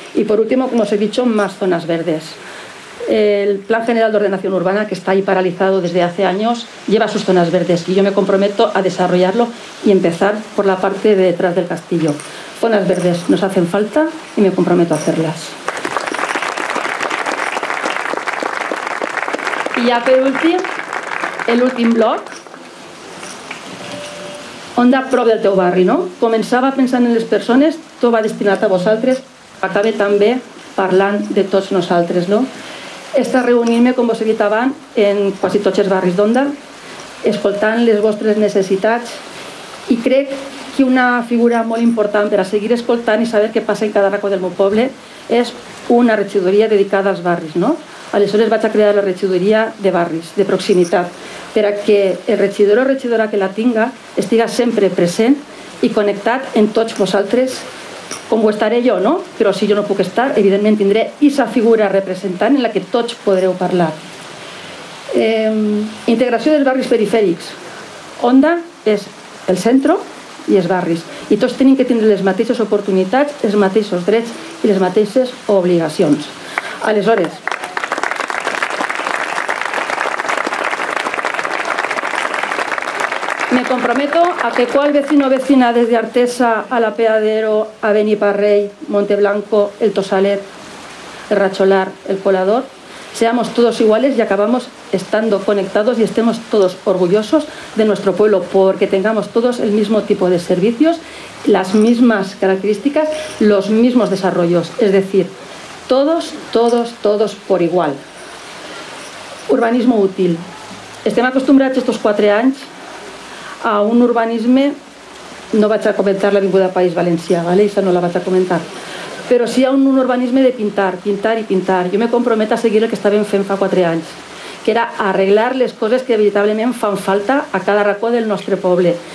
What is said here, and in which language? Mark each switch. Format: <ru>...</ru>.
<es>Y por último, como os he dicho, más zonas verdes. El Plan General de Ordenación Urbana, que está ahí paralizado desde hace años, lleva sus zonas verdes y yo me comprometo a desarrollarlo y empezar por la parte de detrás del castillo. Zonas verdes nos hacen falta y me comprometo a hacerlas. Y ya por último, el último bloc.</es> <ca>Onda prop del teu barri, no? Començava pensant en les persones, tot va destinat a vosaltres, acaba també parlant de tots nosaltres, no? Esta reunir-me, com vos he dit abans, en quasi tots els barris d'Onda, escoltant les vostres necessitats i crec que una figura molt important per a seguir escoltant i saber què passa en cada racó del meu poble és una regidoria dedicada als barris, no? Aleshores vaig a crear la regidoria de barris, de proximitat, per a que el regidor o regidora que la tinga estiga sempre present i connectat en tots vosaltres, com ho estaré jo, no? Però si jo no puc estar, evidentment tindré aquesta figura representant en la que tots podreu parlar. Integració dels barris perifèrics. Onda és el centre i els barris. I tots tenim que tindre les mateixes oportunitats, els mateixos drets i les mateixes obligacions.</ca> <es>Aleshores, me comprometo a que qual vecino o vecina des de Artesa a la Peadero, a Beniparrell, Monteblanco, el Tosalet, el Racholar, el Colador, seamos todos iguales y acabamos estando conectados y estemos todos orgullosos de nuestro pueblo porque tengamos todos el mismo tipo de servicios, las mismas características, los mismos desarrollos. Es decir, todos por igual. Urbanismo útil.</es> <ca>Estem acostumbrats estos 4 anys a un urbanisme, no vaig a comentar l'Avinguda País Valencià, ¿vale? Això no la vaig a comentar, però sí a un urbanisme de pintar. Jo me comprometo a seguir el que estàvem fent fa 4 anys, que era arreglar les coses que veritablement fan falta a cada racó del nostre poble.</ca>